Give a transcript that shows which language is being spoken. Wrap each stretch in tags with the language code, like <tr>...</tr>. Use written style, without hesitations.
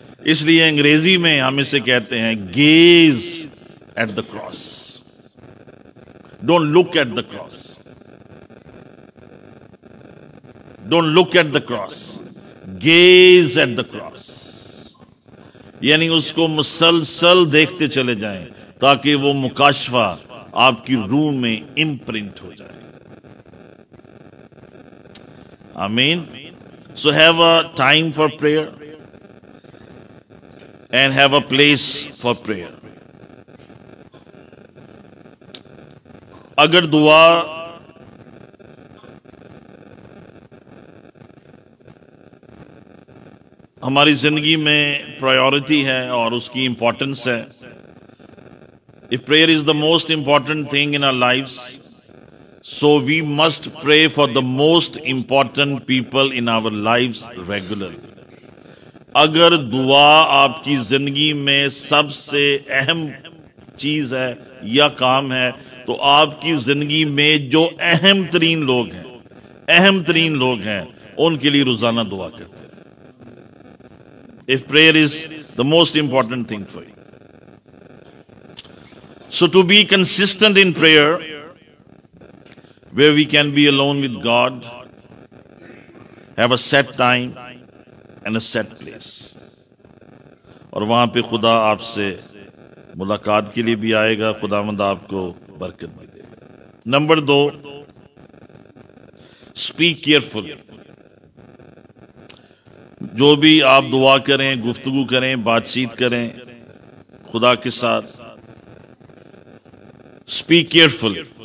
<ur>اس لیے انگریزی میں ہم اسے کہتے ہیں</ur> <en>gaze at the cross,</en> <ur>don't look at the cross, don't look at the cross, gaze at the cross, یعنی اس کو مسلسل دیکھتے چلے جائیں تاکہ وہ مکاشفہ آپ کی روح میں امپرنٹ ہو جائے. آمین.</ur> <en>So have a time for prayer and have a place for prayer.</en> <ur>اگر دعا ہماری زندگی میں پرائیورٹی ہے اور اس کی امپورٹنس ہے,</ur> <en>if prayer is the most important thing in our lives, so we must pray for the most important people in our lives regularly.</en> <ur>اگر دعا آپ کی زندگی میں سب سے اہم چیز ہے یا کام ہے, تو آپ کی زندگی میں جو اہم ترین لوگ ہیں, اہم ترین لوگ ہیں, ان کے لیے روزانہ دعا کرتے ہیں.</ur> <en>If prayer is the most important thing for you, so to be consistent in prayer where we can be alone with God, have a set time and a set place.</en> <ur>اور وہاں پہ خدا آپ سے ملاقات کے لیے بھی آئے گا, خداوند آپ کو برکت بھی دے گا. نمبر دو,</ur> <en>speak carefully.</en> <ur>جو بھی آپ دعا کریں, گفتگو کریں, بات چیت کریں خدا کے ساتھ,</ur> <en>speak carefully.</en>